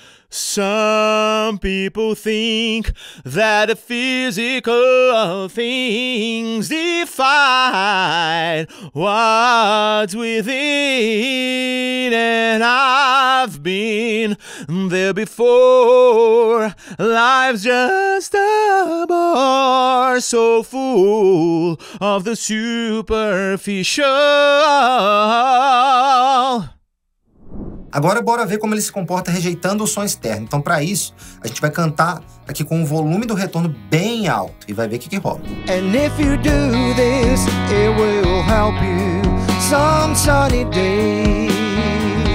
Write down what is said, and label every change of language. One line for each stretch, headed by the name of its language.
English: Some people think that the physical things define what's within, and I've been there before. Life's just a bore, so full of the superficial.
Portuguese: Agora bora ver como ele se comporta rejeitando o som externo. Então, para isso, a gente vai cantar aqui com o volume do retorno bem alto e vai ver o que rola.
English: And if you do this, it will help you some sunny day.